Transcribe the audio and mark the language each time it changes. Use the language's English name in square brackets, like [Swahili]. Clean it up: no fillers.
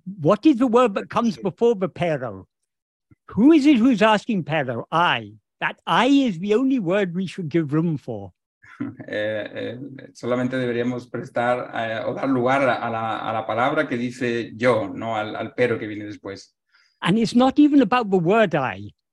[English] What is the word that comes before the pero? Who is it who's asking pero? I. That I is the only word we should give room for. [Spanish] Solamente deberíamos prestar o dar lugar a la palabra que dice yo, no al pero que viene después. [English] And it's not even about the word I.